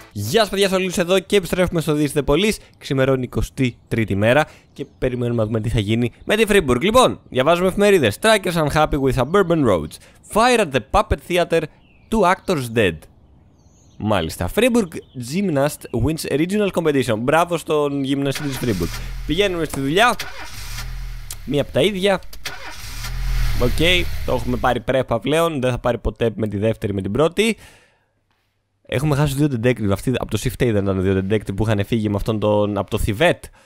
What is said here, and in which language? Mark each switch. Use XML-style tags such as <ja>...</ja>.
<el>Γεια σας παιδιά, Σολίλους εδώ και επιστρέφουμε στο This The Police. Ξημερώνει 23η μέρα και περιμένουμε να δούμε τι θα γίνει με τη Φρίμπουργκ. Λοιπόν, διαβάζουμε εφημερίδες.</el> <en>Strikers unhappy with suburban roads. Fire at the puppet theater, two actors dead.</en> <el>Μάλιστα.</el> <en>Φρίμπουργκ gymnast wins regional competition.</en> <el>Μπράβο στον γυμναστή της Φρίμπουργκ. Πηγαίνουμε στη δουλειά. Μία από τα ίδια. Οκ, okay, το έχουμε πάρει πρέπα πλέον. Δεν θα πάρει ποτέ με τη δεύτερη με την πρώτη. Έχουμε χάσει δύο detective. Αυτή από το Shift A δεν ήταν δύο detective που είχαν φύγει με αυτόν τον. Από το Thivet.</el>